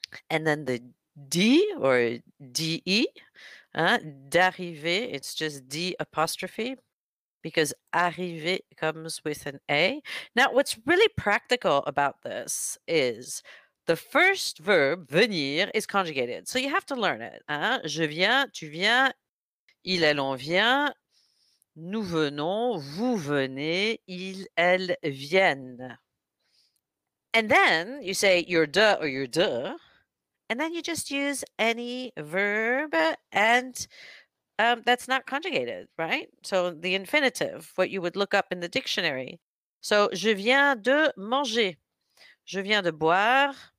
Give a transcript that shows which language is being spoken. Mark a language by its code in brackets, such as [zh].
[en] And then the D or D-E, hein? D'arriver, it's just D apostrophe. Because arriver comes with an A. Now, what's really practical about this is the first verb, venir, is conjugated. So you have to learn it. Hein? [fr] Je viens, tu viens, il, elle, on vient, nous venons, vous venez, il, elle, viennent. [en] And then you say you're de or you're de. And then you just use any verb and that's not conjugated, right? So the infinitive, what you would look up in the dictionary. [fr] So, je viens de manger. Je viens de boire.